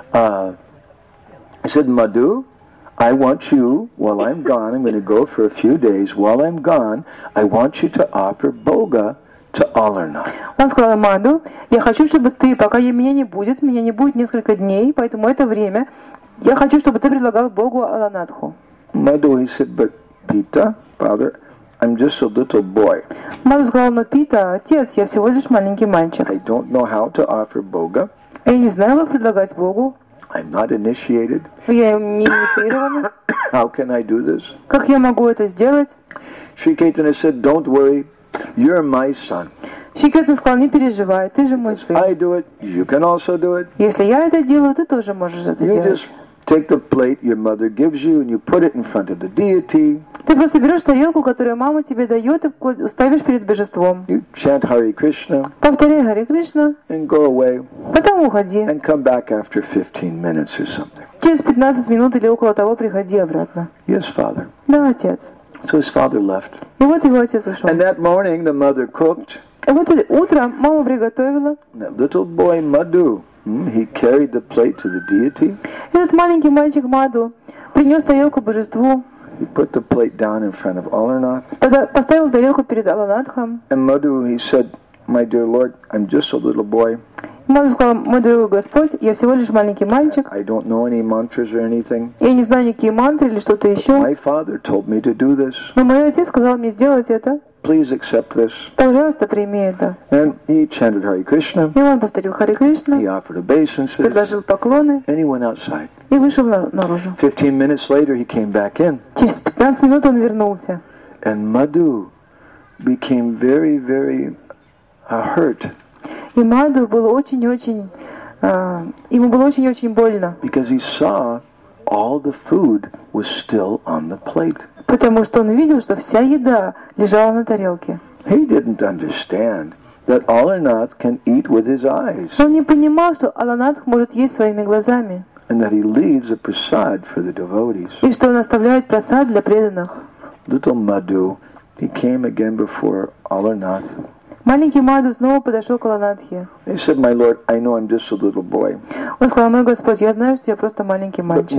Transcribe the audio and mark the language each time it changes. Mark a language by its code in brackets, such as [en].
[en] I said, Madhu, I want you, while I'm gone, I'm going to go for a few days, while I'm gone, I want you to offer boga to Alarnath. [ru] Он сказал, Madhu, я хочу, чтобы ты, пока меня не будет несколько дней, поэтому это время, я хочу, чтобы ты предлагал богу Аланатху. [en] Madhu, he said, but Pita, father, I'm just a little boy. [ru] Madhu сказал, но Пита, отец, я всего лишь маленький мальчик. [en] I don't know how to offer boga. [ru] Я не знаю, как предлагать Богу. [en] I'm not initiated. [ru] Я не инициирован. [en] How can I do this? [ru] Как я могу это сделать? [en] Шри Кетана said, "Don't worry, you're my son." [ru] Шри Кетана сказал, не переживай, ты же мой сын. [en] I do it, you can also do it. [ru] Если я это делаю, ты тоже можешь это делать. [en] You just take the plate your mother gives you and you put it in front of the deity. [ru] Ты просто берешь тарелку, которую мама тебе дает, и ставишь перед божеством. [en] You chant Hare Krishna. [ru] Повторяй Hare Krishna. [en] And go away. [ru] Потом уходи. [en] And come back after 15 minutes or something. [ru] Через 15 минут или около того приходи обратно. [en] Yes, father. [ru] Да, отец. [en] So his father left. [ru] И вот его отец ушел. [en] And that morning the mother cooked. [ru] И вот это утро мама приготовила. [en] That little boy Madhu, he carried the plate to the deity. [ru] Этот маленький мальчик Маду принес тарелку божеству. [en] He put the plate down in front of Alarnath. [ru] Поставил тарелку перед Аланатхом. [en] And Madhu, he said, "My dear Lord, I'm just a little boy." [ru] Маду сказал, мой дорогой Господь, я всего лишь маленький мальчик. [en] I don't know any mantras or anything. [ru] Я не знаю никакие мантры или что-то еще. [en] My father told me to do this. [ru] Но мой отец сказал мне сделать это. [en] Please accept this. [ru] Пожалуйста, прими это. [en] And he chanted Hare Krishna. [ru] И он повторил Hare Krishna. [en] He offered obeisances. [ru] Предложил поклоны. [en] And he went outside. [ru] И вышел наружу. [en] 15 minutes later, he came back in. [ru] Через 15 минут он вернулся. [en] And Madhu became very, very hurt. [ru] И Маду было очень-очень, ему было очень-очень больно. [en] Because he saw all the food was still on the plate. [ru] Потому что он видел, что вся еда лежала на тарелке. [en] He didn't understand that Alarnath can eat with his eyes. [ru] Он не понимал, что Аланатх может есть своими глазами. [en] And that he leaves a prasad for the devotees. [ru] И что он оставляет прасад для преданных. [en] Little Madhu, he came again before Alarnath. [ru] Маленький Маду снова подошел к Аланатхе. [en] He said, "My Lord, I know I'm just a little boy." [ru] Он сказал, "Мой Господь, я знаю, что я просто маленький мальчик."